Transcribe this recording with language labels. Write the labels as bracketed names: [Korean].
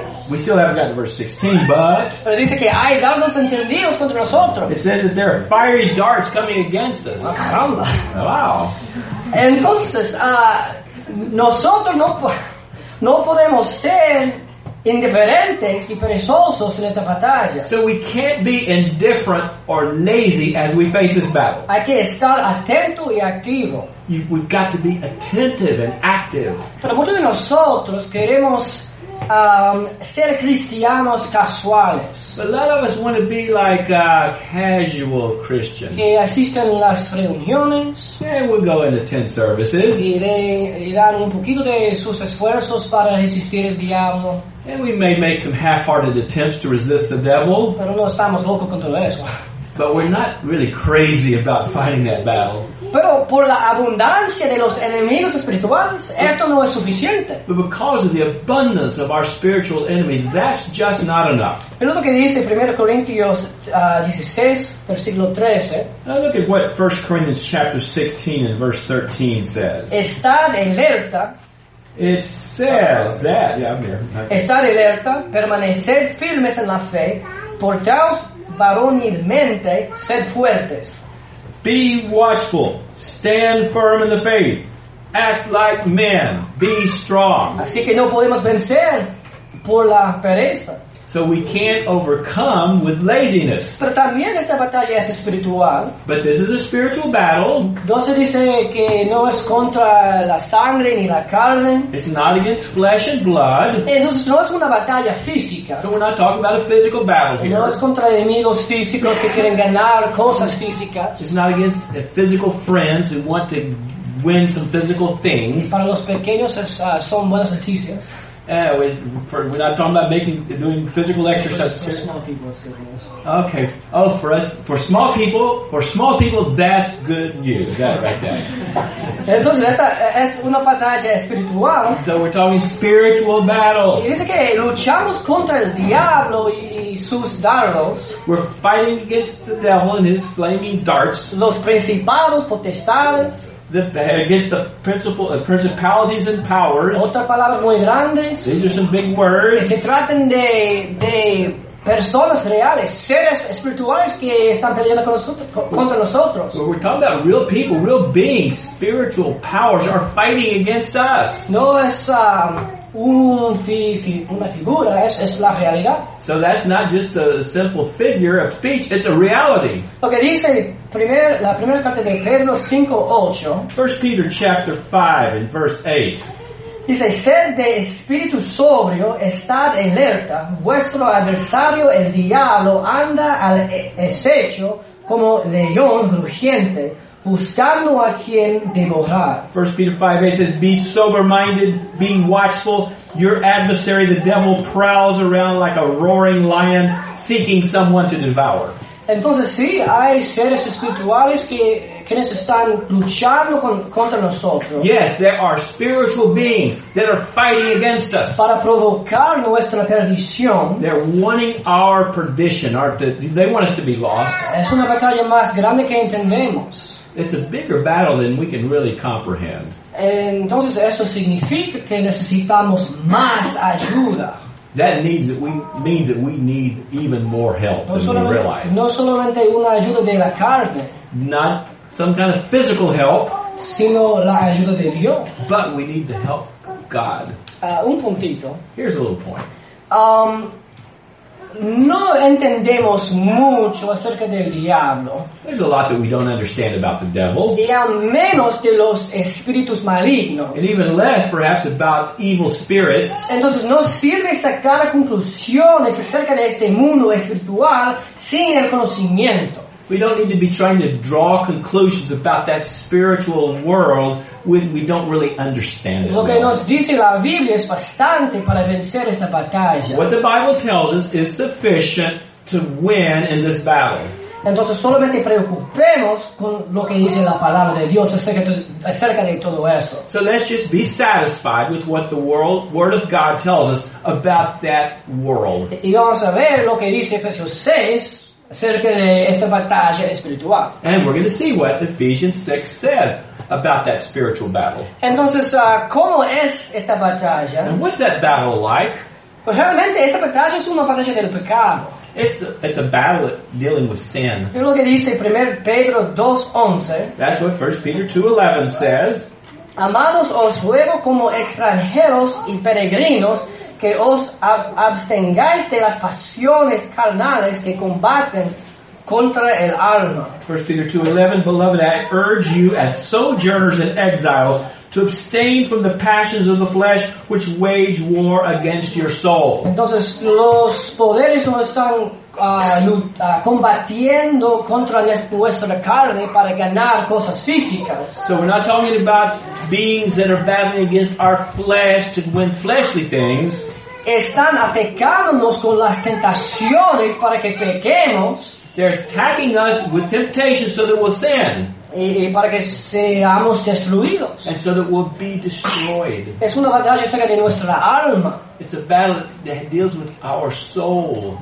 [English] We still haven't gotten to verse 16, but. [Spanish] Pero dice que hay dardos encendidos contra nosotros. [English] It says that there are fiery darts coming against us. [Spanish] Oh, caramba. [English] Wow. [Spanish] Entonces, nosotros no, no podemos ser indiferentes y perezosos en esta batalla. [English] So we can't be indifferent or lazy as we face this battle. [Spanish] Hay que estar atento y activo. [English] We've got to be attentive and active. [Spanish] Pero muchos de nosotros queremos ser cristianos casuales. [English] A lot of us want to be like casual Christians. [Spanish] Que asisten las reuniones. [English] Yeah, we'll go into tent services. [Spanish] Y dan un poquito de sus esfuerzos para resistir el diablo. [English] And we may make some half-hearted attempts to resist the devil. [Spanish] Pero no estamos locos contra eso. [English] But we're not really crazy about fighting that battle. [Spanish] Pero por la abundancia de los enemigos espirituales, esto no es suficiente. [English] But because of the abundance of our spiritual enemies, that's just not enough. [Spanish] Pero lo que dice 1 Corintios 16, versículo 13. [English] Now look at what 1 Corinthians chapter 16 and verse 13 says. [Spanish] Estad alerta. [English] It says that, yeah, I'm here. [Spanish] Estad alerta, permaneced firmes en la fe, portaos varonilmente, sed fuertes. [English] Be watchful, stand firm in the faith, act like men, be strong. [Spanish] Así que no podemos vencer por la pereza. [English] So we can't overcome with laziness. [Spanish] Pero también esta batalla es espiritual. [English] But this is a spiritual battle. [Spanish] No se dice que no es contra la sangre ni la carne. [English] It's not against flesh and blood. [Spanish] Entonces no es una batalla física. [English] So we're not talking about a physical battle here. [Spanish] No es contra enemigos físicos que quieren ganar cosas físicas. [English] It's not against physical friends who want to win some physical things. [Spanish] Y para los pequeños es, son buenas noticias. [English] We're not talking about doing physical exercises. For small people, it's good news. Okay. Oh, for us, for small people, that's good news. That right there. [Spanish] Entonces esta es una batalla espiritual. [English] So we're talking spiritual battle. [Spanish] Y dice que luchamos contra el diablo y sus dardos. [English] We're fighting against the devil and his flaming darts. [Spanish] Los principados, potestades. [English] Against the principalities and powers. [Spanish] Otra palabra muy grande. [English] These are some big words. [Spanish] Que se traten de personas reales, seres espirituales que están peleando con nosotros, contra nosotros. [English] Well, we're talking about real people, real beings, spiritual powers are fighting against us. [Spanish] No es una figura, es la realidad. [English] So that's not just a simple figure of speech, it's a reality. [Spanish] Lo que dice la primera parte de Pedro 5:8. [English] 1 Peter chapter 5 and verse 8. [Spanish] Dice, ser de espíritu sobrio, estar alerta. Vuestro adversario, el diablo, anda al acecho como león rugiente, buscando a quien devorar. [English] 1 Peter 5:8 says, be sober-minded, be watchful. Your adversary, the devil, prowls around like a roaring lion, seeking someone to devour. [Spanish] Entonces, sí, hay seres espirituales que están luchando contra nosotros. [English] Yes, there are spiritual beings that are fighting against us. [Spanish] Para provocar nuestra perdición. [English] They're wanting our perdition. They want us to be lost. [Spanish] Es una batalla más grande que entendemos. [English] It's a bigger battle than we can really comprehend. [Spanish] Entonces, esto significa que necesitamos más ayuda. [English] That means that we need even more help than we realize. [Spanish] No solamente una ayuda de la carne. [English] Not some kind of physical help. [Spanish] Sino la ayuda de Dios. [English] But we need the help of God. [Spanish] Un puntito. [English] Here's a little point. [Spanish] No entendemos mucho acerca del diablo. [English] There's a lot that we don't understand about the devil. [Spanish] Y al menos de los espíritus malignos. [English] And even less, perhaps, about evil spirits. [Spanish] Entonces, no sirve sacar conclusiones acerca de este mundo espiritual sin el conocimiento. [English] We don't need to be trying to draw conclusions about that spiritual world when we don't really understand it. [Spanish] Lo que nos dice la Biblia es bastante para vencer esta batalla. [English] What the Bible tells us is sufficient to win in this battle. [Spanish] Entonces solamente preocupemos con lo que dice la palabra de Dios acerca de todo eso. [English] So let's just be satisfied with what the Word of God tells us about that world. [Spanish] Y vamos a ver lo que dice Efesios 6. Acerca de esta batalla espiritual. [English] And we're going to see what Ephesians 6 says about that spiritual battle. [Spanish] Entonces, ¿cómo es esta batalla? [English] And what's that battle like? [Spanish] Pues realmente, esta batalla es una batalla del pecado. [English] It's a battle dealing with sin. [Spanish] Es lo que dice 1 Pedro 2:11. [English] That's what 1 Peter 2:11 says. [Spanish] Amados, os ruego como extranjeros y peregrinos que os abstengáis de las pasiones carnales que combaten contra el alma. [English] 1 Peter 2:11, beloved, I urge you as sojourners and exiles to abstain from the passions of the flesh which wage war against your soul. [Spanish] Entonces, los poderes no están combatiendo contra nuestra carne para ganar cosas físicas. [English] So we're not talking about beings that are battling against our flesh to win fleshly things. [Spanish] Están atacándonos con las tentaciones para que pequemos. [English] They're attacking us with temptations so that we'll sin. [Spanish] Y para que seamos destruidos. [English] And so that we'll be destroyed. [Spanish] Es una batalla acerca de nuestra alma. [English] It's a battle that deals with our soul.